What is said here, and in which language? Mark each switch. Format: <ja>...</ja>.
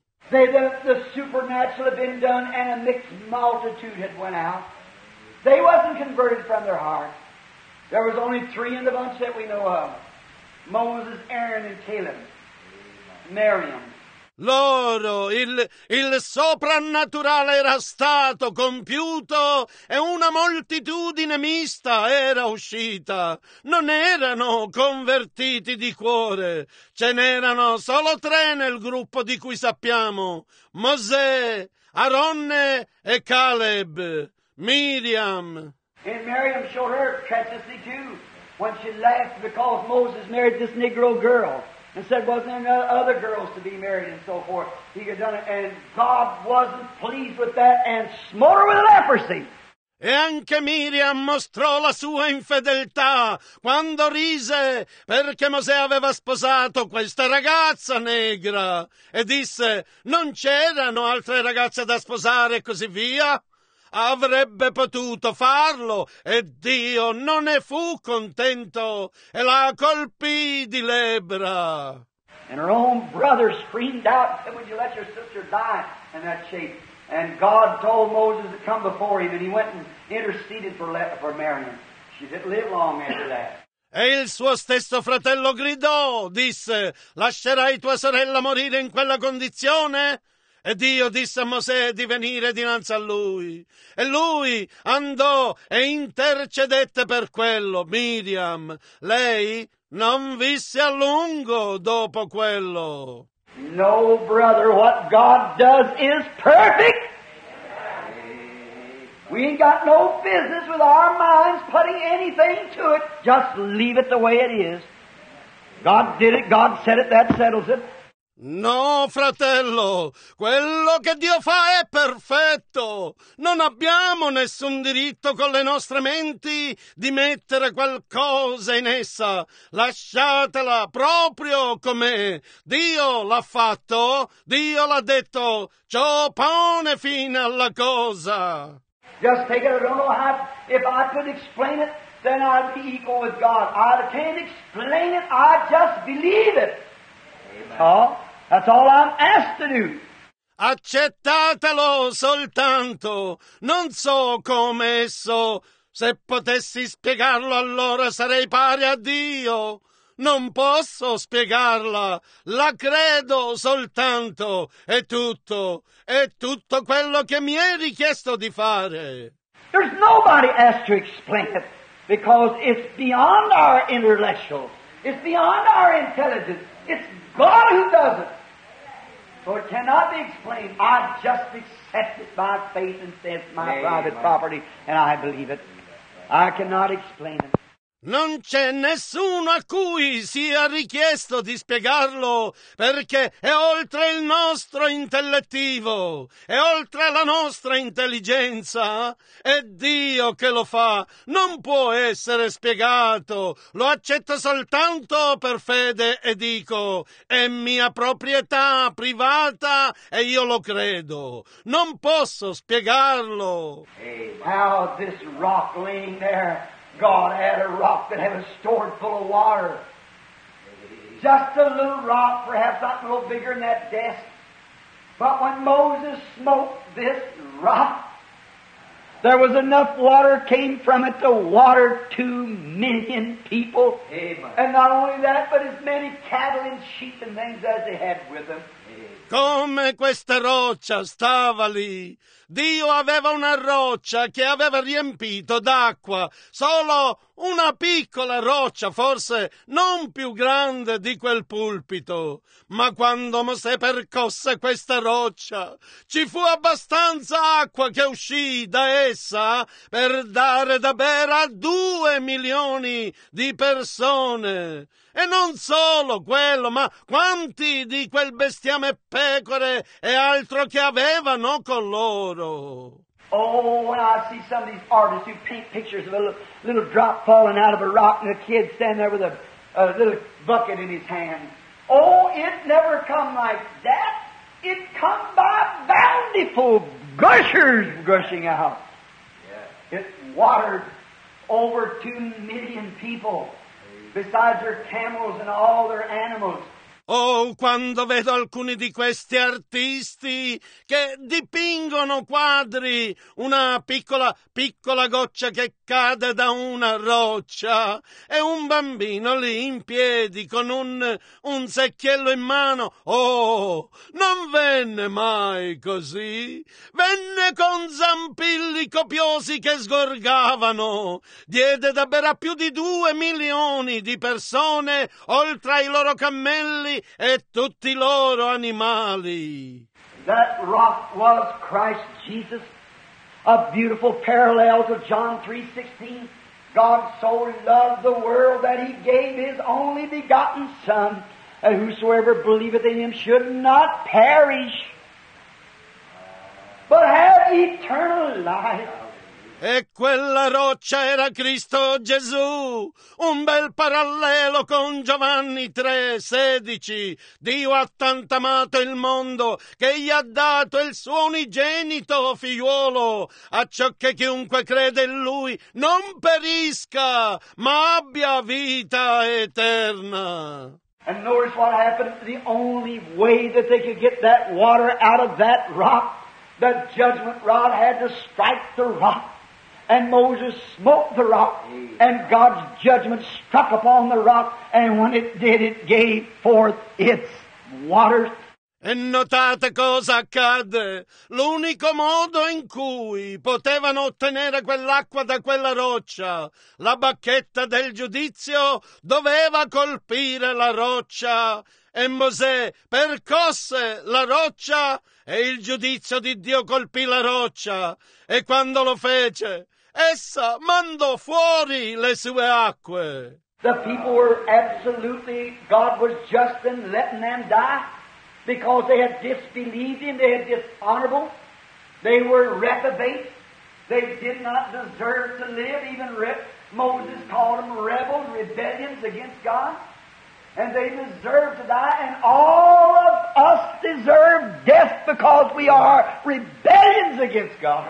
<en>The supernatural had been done and a mixed multitude had went out. They wasn't converted from their heart. There was only 3 in the bunch that we know of. Moses, Aaron and Caleb. Miriam.</en> <it>Loro, il soprannaturale era stato compiuto e una moltitudine mista era uscita. Non erano convertiti di cuore. Ce n'erano solo 3 nel gruppo di cui sappiamo. Mosè, Aronne e Caleb. Miriam.</it> <en>And Miriam showed her courtesy too when she left because Moses married this Negro girl. And said, wasn't there other girls to be married and so forth? He had done it, and God wasn't pleased with that and smote her with leprosy.</en> <it>E anche Miriam mostrò la sua infedeltà quando rise perché Mosè aveva sposato questa ragazza negra e disse: non c'erano altre ragazze da sposare e così via. Avrebbe potuto farlo e Dio non ne fu contento e la colpì di lebbra.</it> <en>And her own brother screamed out and said, would you let your sister die in that shape? And God told Moses to come before him, and he went and interceded for Miriam. She didn't live long after that.</en> <it>E il suo stesso fratello gridò, disse, lascerai tua sorella morire in quella condizione? E Dio disse a Mosè di venire dinanzi a lui. E lui andò e intercedette per quello, Miriam. Lei non visse a lungo dopo quello.</it> <en>No, brother, what God does is perfect. We ain't got no business with our minds putting anything to it. Just leave it the way it is. God did it, God said it, that settles it.</en> <it>No, fratello, quello che Dio fa è perfetto. Non abbiamo nessun diritto con le nostre menti di mettere qualcosa in essa. Lasciatela proprio com'è. Dio l'ha fatto, Dio l'ha detto, ciò pone fine alla cosa.</it> <en>Just take it, I don't know how, if I could explain it, then I'd be equal with God. I can't explain it, I just believe it. Amen. That's all I'm asked to do.</en> <it>Accettatelo soltanto. Non so come esso. Se potessi spiegarlo, allora sarei pari a Dio. Non posso spiegarla. La credo soltanto. È tutto. È tutto quello che mi è richiesto di fare.</it> <en>There's nobody asked to explain it because it's beyond our intellectual. It's beyond our intelligence. It's God who does it. So it cannot be explained. I just accept it by faith and say it's my private property and I believe it. I cannot explain it.</en> <it>Non c'è nessuno a cui sia richiesto di spiegarlo perché è oltre il nostro intellettivo, è oltre la nostra intelligenza. È Dio che lo fa, non può essere spiegato. Lo accetto soltanto per fede e dico, è mia proprietà privata e io lo credo. Non posso spiegarlo.</it> <en>Hey, how this rock laying there? God had a rock that had a stored full of water. Just a little rock, perhaps not a little bigger than that desk. But when Moses smote this rock, there was enough water came from it to water 2 million people. Amen. And not only that, but as many cattle and sheep and things as they had with them.</en> <it>Come questa roccia stava lì. Dio aveva una roccia che aveva riempito d'acqua, solo una piccola roccia, forse non più grande di quel pulpito. Ma quando Mosè percosse questa roccia, ci fu abbastanza acqua che uscì da essa per dare da bere a 2 milioni di persone. E non solo quello, ma quanti di quel bestiame, pecore e altro che avevano con loro.</it> <en>Oh, when I see some of these artists who paint pictures of a little drop falling out of a rock and a kid standing there with a little bucket in his hand. Oh, it never come like that. It come by bountiful gushers gushing out. Yeah. It watered over 2 million people. Besides their camels and all their animals.</en> <it>Oh, quando vedo alcuni di questi artisti che dipingono quadri, una piccola, piccola goccia che cade da una roccia e un bambino lì in piedi con un secchiello in mano. Oh, non venne mai così. Venne con zampilli copiosi che sgorgavano. Diede da bere a più di 2 milioni di persone, oltre ai loro cammelli e tutti i loro animali.</it> <en>That rock was Christ Jesus, a beautiful parallel to John 3:16. God so loved the world that he gave his only begotten Son, and whosoever believeth in him should not perish, but have eternal life.</en> <it>E quella roccia era Cristo Gesù, un bel parallelo con Giovanni 3:16. Dio ha tanto amato il mondo che gli ha dato il suo unigenito figliuolo, acciò che chiunque crede in lui non perisca, ma abbia vita eterna.</it> <en>And notice what happened. The only way that they could get that water out of that rock, the judgment rod had to strike the rock. And Moses smote the rock, and God's judgment struck upon the rock, and when it did, it gave forth its water.</en> <it>E notate cosa accadde. L'unico modo in cui potevano ottenere quell'acqua da quella roccia, la bacchetta del giudizio doveva colpire la roccia. E Mosè percosse la roccia, e il giudizio di Dio colpì la roccia. E quando lo fece, essa mandò fuori le sue acque.</it> <en>The people were absolutely, God was just in letting them die because they had disbelieved him, they had dishonorable, they were reprobate, they did not deserve to live. Even Moses called them rebels, rebellions against God, and they deserved to die, and all of us deserve death because we are rebellions against God.</en>